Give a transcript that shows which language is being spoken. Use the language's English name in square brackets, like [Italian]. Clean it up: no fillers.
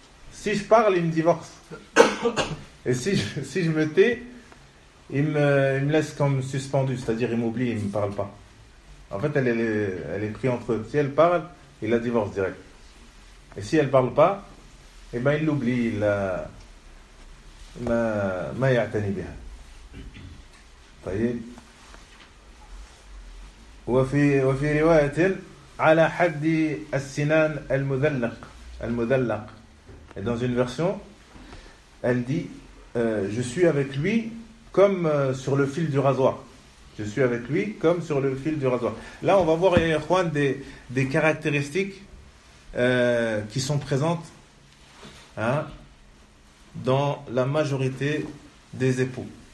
[French] Si je parle, il me divorce. Et si je me tais, il me laisse comme suspendu. C'est-à-dire, il m'oublie, il ne me parle pas. En fait, elle est prise entre eux. Si elle parle, il la divorce direct. Et si elle ne parle pas, eh bien, il l'oublie. Il ne m'a pas attendu bien. Vous voyez? [Arabic] وفي رواية على حد السنان المذلق. [French] Et dans une version, elle dit: je suis avec lui comme sur le fil du rasoir. Je suis avec lui comme sur le fil du rasoir. Là, on va voir, Juan, des caractéristiques qui sont présentes, hein, dans la majorité des époux.